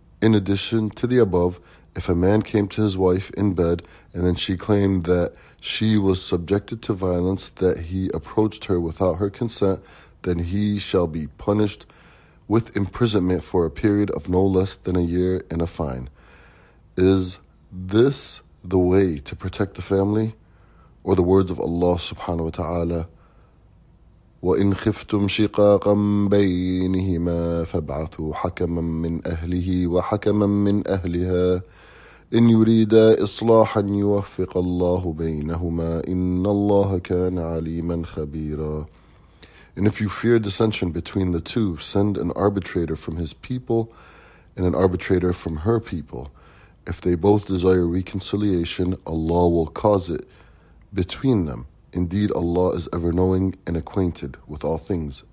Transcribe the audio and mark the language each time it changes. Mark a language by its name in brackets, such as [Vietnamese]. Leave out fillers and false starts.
[English] In addition to the above, if a man came to his wife in bed and then she claimed that she was subjected to violence, that he approached her without her consent, then he shall be punished with imprisonment for a period of no less than a year and a fine. Is this the way to protect the family? Or the words of Allah subhanahu wa ta'ala, [Arabic] وَإِنْ خِفْتُمْ شِقَاقًا بَيْنِهِمَا فَابْعَثُوا حَكَمًا مِّنْ أَهْلِهِ وَحَكَمًا مِّنْ أَهْلِهَا إن يريدا إصلاحا يوفق الله بينهما إن الله كان عليما خبيرا. [English] And if you fear dissension between the two, send an arbitrator from his people and an arbitrator from her people. If they both desire reconciliation, Allah will cause it between them. Indeed, Allah is ever knowing and acquainted with all things.